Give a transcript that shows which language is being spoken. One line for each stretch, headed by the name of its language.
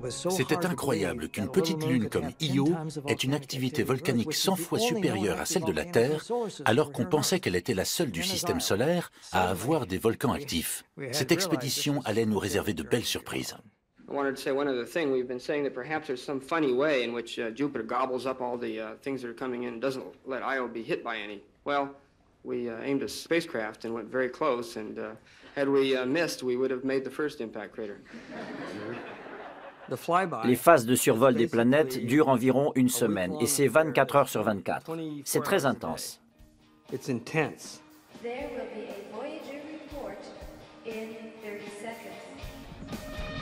French: C'était incroyable qu'une petite lune comme Io ait une activité volcanique 100 fois supérieure à celle de la Terre, alors qu'on pensait qu'elle était la seule du système solaire à avoir des volcans actifs. Cette expédition allait nous réserver de belles surprises.
English: I wanted to say one other thing. We've been saying that perhaps there's some funny way in which Jupiter gobbles up all the things that are coming in and doesn't let Io be hit by any. Well, we aimed a spacecraft and went very close, and had we missed, we would have made the first impact crater.
French: Les phases de survol des planètes durent environ une semaine, et c'est 24 heures sur 24. C'est très intense.
English: It's intense. There will be a Voyager report in 30 seconds.